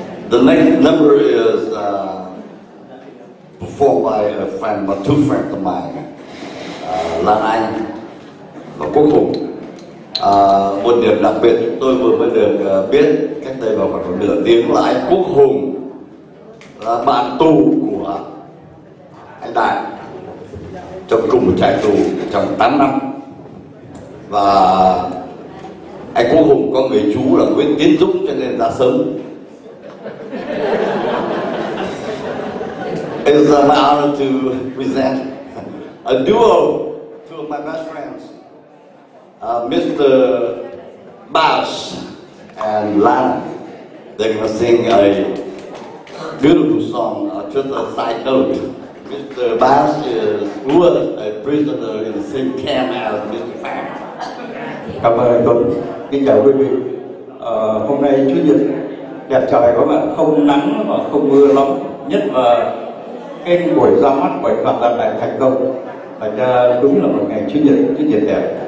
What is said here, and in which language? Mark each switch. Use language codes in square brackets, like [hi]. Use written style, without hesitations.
[en] The next number is performed by a friend, but two friends of mine. [vi] Lan Anh và Quốc Hùng. Một điểm đặc biệt chúng tôi vừa mới được biết cách đây vào khoảng nửa tiếng là anh Quốc Hùng là bạn tù của anh Đại, trong cùng một trại tù trong 8 năm. Và anh Quốc Hùng có người chú là Nguyễn Tiến Dũng cho nên ra sớm. [en] It's an honor to present a duo to my best friends, Mr. Bass and Lan. They're gonna sing a beautiful song, just a side note. Mr. Bass was a prisoner in the same camp as Mr. Pham. [vi] Cảm ơn tôi. Kính chào quý vị. Hôm nay Chủ nhật, đẹp trời quá bạn, không nắng và không mưa lắm. Nhất là cái buổi ra mắt của Phật Đàn lại thành công. Đúng là một ngày chủ nhật đẹp.